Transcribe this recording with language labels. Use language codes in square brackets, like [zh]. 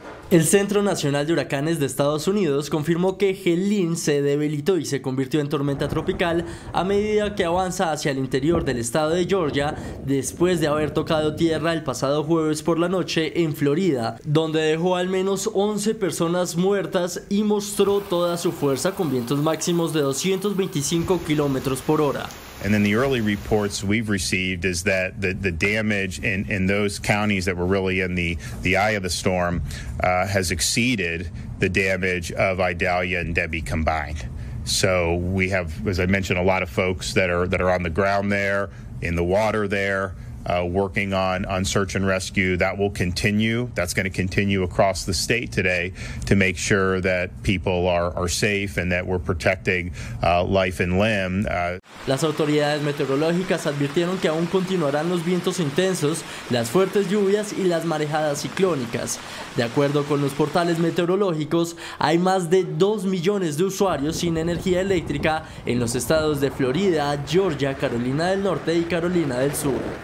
[es] El Centro Nacional de Huracanes de Estados Unidos confirmó que Helene se debilitó y se convirtió en tormenta tropical a medida que avanza hacia el interior del estado de Georgia después de haber tocado tierra el pasado jueves por la noche en Florida, donde dejó al menos 11 personas muertas y mostró toda su fuerza con vientos máximos de 225 km por hora. [en] And then the early reports we've received is that the damage in those counties that were really in the eye of the storm has exceeded the damage of Idalia and Debbie combined. So we have, as I mentioned, a lot of folks that are on the ground there, in the water there, working on search and rescue. That will continue. That's going to continue across the state today to make sure that people are safe and that we're protecting life and limb. [es] Las autoridades meteorológicas advirtieron que aún continuarán los vientos intensos, las fuertes lluvias y las marejadas ciclónicas. De acuerdo con los portales meteorológicos, hay más de 2 millones de usuarios sin energía eléctrica en los estados de Florida, Georgia, Carolina del Norte y Carolina del Sur.